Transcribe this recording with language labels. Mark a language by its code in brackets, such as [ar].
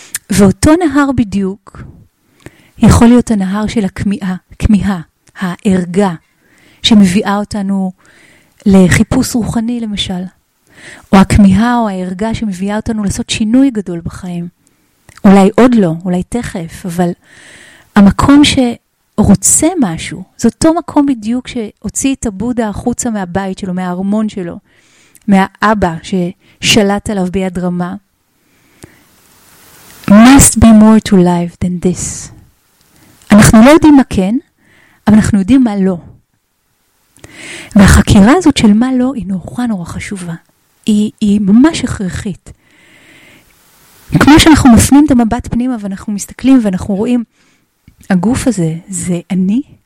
[he] ואותו נהר בדיוק יכול להיות הנהר של הכמיהה, כמיהה, הערגה, שמביאה אותנו לחיפוש רוחני למשל, או הכמיהה או הערגה שמביאה אותנו לעשות שינוי גדול בחיים. אולי עוד לא, אולי תכף, אבל המקום שרוצה משהו, זה אותו מקום בדיוק שהוציא את הבודה החוצה מהבית שלו, מהארמון שלו, מהאבא ששלט עליו ביד רמה. [en] Must be more to life than this. [he] אנחנו לא יודעים מה כן, אבל אנחנו יודעים מה לא. והחקירה הזאת של מה לא היא נורא נורא חשובה. היא ממש הכרחית. כמו שאנחנו מפנים את המבט פנימה ואנחנו מסתכלים ואנחנו רואים, הגוף הזה זה אני?